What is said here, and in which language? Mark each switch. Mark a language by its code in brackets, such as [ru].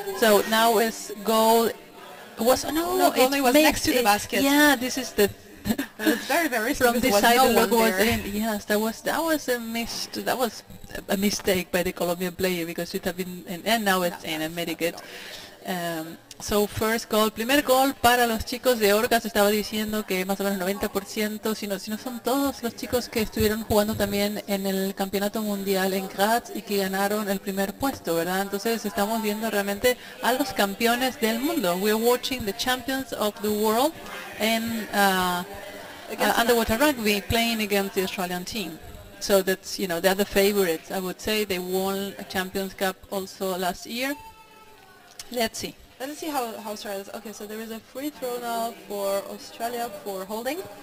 [en] So now it's goal. Next to the basket. Yeah, this is the. It's very, very risky. From this side, no one was there. Yes, that was a miss. That was a mistake by the Colombian player, because it had been in, and now it's in. And made it good. So first goal, [es] primer gol para los chicos de Orcas. Estaba diciendo que más o menos 90%, si no son todos los chicos que estuvieron jugando también en el campeonato mundial en Graz y que ganaron el primer puesto, ¿verdad? Entonces estamos viendo realmente a los campeones del mundo. [en] We're watching the champions of the world in underwater rugby playing against the Australian team. So that's, you know, they're the favorites, I would say. They won a Champions Cup also last year. Let's see how Australia is. Okay, so there is a free throw now for Australia for holding.